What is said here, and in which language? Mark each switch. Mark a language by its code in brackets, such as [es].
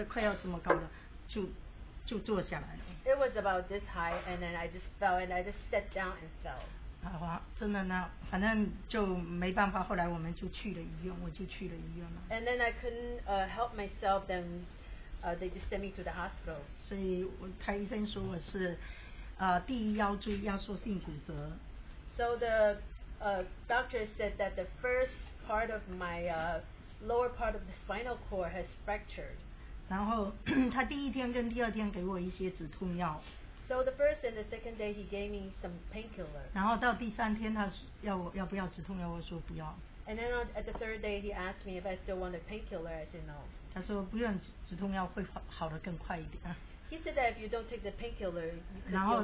[zh] 所以我就真的感谢主，就蛮高的，起码比快要这么高的，就坐下来了。 [en] It was about this high, and then I just fell, and I just sat down and fell. [zh] 好啊，真的呢，反正就没办法。后来我们就去了医院，我就去了医院了。 [en] And then I couldn't help myself. Then they just sent me to the hospital. [zh] 所以他医生说我是第一腰椎压缩性骨折。 [en] So the doctor said that the first part of my lower part of the spinal cord has fractured. [zh] 然后他第一天跟第二天给我一些止痛药。 [en] So the first and the second day he gave me some painkiller. [zh] 然后到第三天他要不要止痛药，我说不要。 [en] And then at the third day he asked me if I still want a painkiller, I said no. [zh] 他说不用止痛药会好得更快一点。 [en] He said that if you don't take the painkiller, you could heal